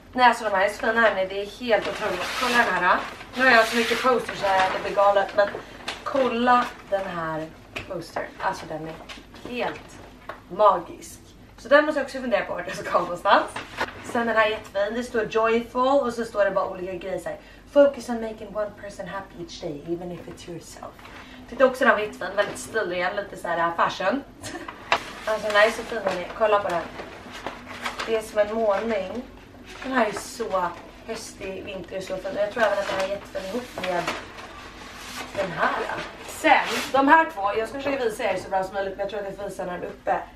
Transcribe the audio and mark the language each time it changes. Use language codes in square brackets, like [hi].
[sv] Nej, alltså de här är så fina, hörni, det är helt otroligt. Kolla den här. Nu har jag så mycket poster så här, det blir galet. Men kolla den här poster. Alltså den är helt magisk. Så den måste jag också fundera på vart jag ska komma någonstans. Sen den här jättefin, det står joyful och så står det bara olika grejer såhär. [en] Focus on making one person happy each day, even if it's yourself. [sv] Tyckte också den var jättefin, väldigt stilren, lite så här fashion. Alltså den här är så fin, hörni, kolla på den. Det är som en målning. Den här är så höstig, vinter och så fin. Jag tror även att den är jättefin ihop med den här. Sen, de här två, jag ska försöka visa er så bra som möjligt, men jag tror att jag får visa den uppe.